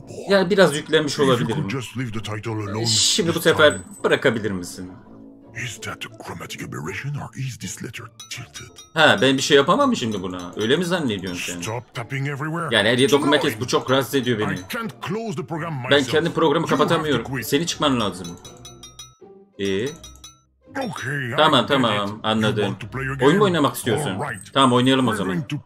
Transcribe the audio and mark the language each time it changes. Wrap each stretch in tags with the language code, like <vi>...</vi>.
<tr>Ya biraz yüklenmiş olabilirim. Şimdi bu sefer bırakabilir misin?</tr> <en>Is that a grammatic aberration or is this letter tilted?</en> <tr>Ha, ben bir şey yapamam mı şimdi buna? Öyle mi zannediyorsun sen?</tr> <en>Stop tapping everywhere.</en> <tr>Yani her yere dokunmak bu çok rahatsız ediyor beni. Ben kendi programı kapatamıyorum. Seni çıkman lazım. Okay, tamam, anladım. Oyun mu oynamak istiyorsun? Right. Tamam, oynayalım o zaman.</tr>